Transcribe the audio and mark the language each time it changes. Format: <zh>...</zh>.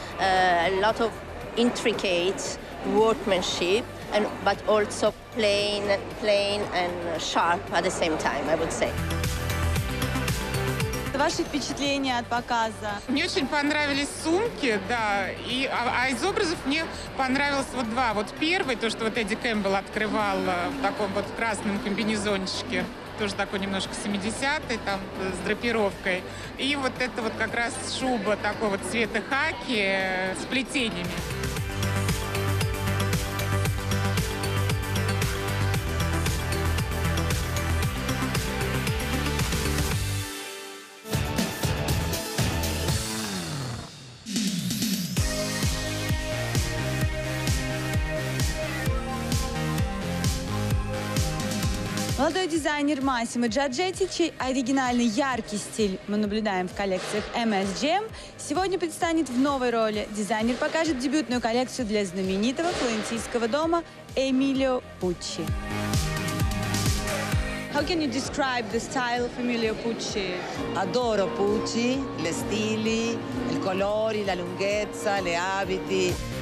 <en>A lot of intricate workmanship. But also plain and sharp at the same time, I would say.</en> <ru>Ваши впечатления от показа? Мне очень понравились сумки, да. А из образов мне понравилось вот два. Вот первый, то, что вот Эдди Кэмпбелл открывал в таком вот красном комбинезончике. Тоже такой немножко 70-й, там, с драпировкой. И вот это вот как раз шуба такого цвета хаки с плетениями. Молодой дизайнер Массимо Джорджетти, чей оригинальный яркий стиль мы наблюдаем в коллекциях MSGM, сегодня предстанет в новой роли. Дизайнер покажет дебютную коллекцию для знаменитого флорентийского дома Эмилио Пуччи.</ru> <en>How can you describe the style of Emilio Pucci?</en> <it>Adoro Pucci, le stili, i colori, la lunghezza, le abiti.</it>